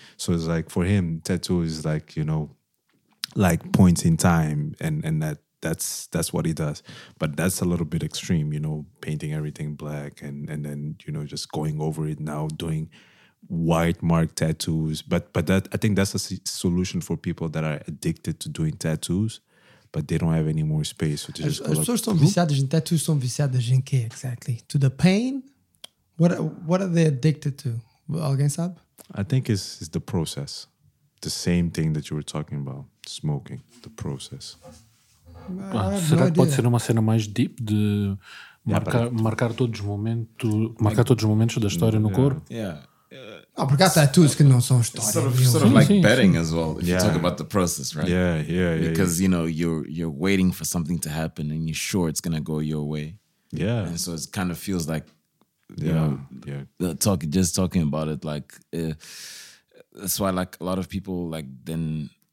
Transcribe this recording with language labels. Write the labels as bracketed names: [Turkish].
[English] So it's like for him, tattoo is like, you know, like points in time and that's what he does. But that's a little bit extreme, you know, painting everything black and then, you know, just going over it now, doing white mark tattoos. But that, I think that's a solution for people that are addicted to doing tattoos, but they don't have any more space. [Portuguese] As pessoas estão viciadas em tattoos, estão viciadas em quê, exactly? [English] To the pain? What are they addicted to? [Portuguese] Alguém sabe? [English] I think it's the process. The same thing that you were talking about. Smoking. The process. [Portuguese] Será que pode ser uma cena mais deep de marcar todos os momentos, marcar todos os momentos da história no corpo? [English] Yeah. [Portuguese] Ah, porque há tattoos que não são histórias. [English] Sort of like betting as well. If you talk about the process, right? Yeah. Because you know you're waiting for something to happen and you're sure it's gonna go your way. Yeah. And so it kind of feels like, you know, talking about it, like that's why like a lot of people like then.